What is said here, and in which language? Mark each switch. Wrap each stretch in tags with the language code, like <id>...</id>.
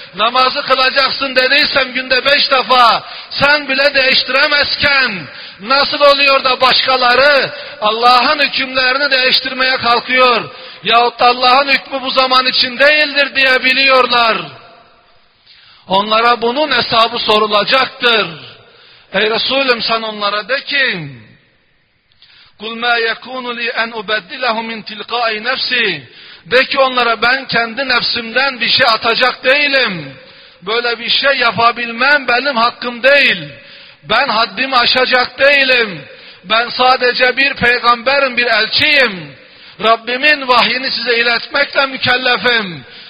<tr>Namazı kılacaksın dediysem günde 5 defa, sen bile değiştiremezken nasıl oluyor da başkaları Allah'ın hükümlerini değiştirmeye kalkıyor yahut da Allah'ın hükmü bu zaman için değildir diyebiliyorlar. Onlara bunun hesabı sorulacaktır. Ey Resulüm, sen onlara de ki,</tr> <ar>قُلْ مَا يَكُونُ لِي أَنْ أُبَدِّلَهُ مِنْ تِلْقَاءِ نَفْسِي.</ar> <tr>De ki onlara, ben kendi nefsimden bir şey atacak değilim. Böyle bir şey yapabilmem benim hakkım değil. Ben haddimi aşacak değilim. Ben sadece bir peygamberim, bir elçiyim. Rabbimin vahyini size iletmekle mükellefim.</tr>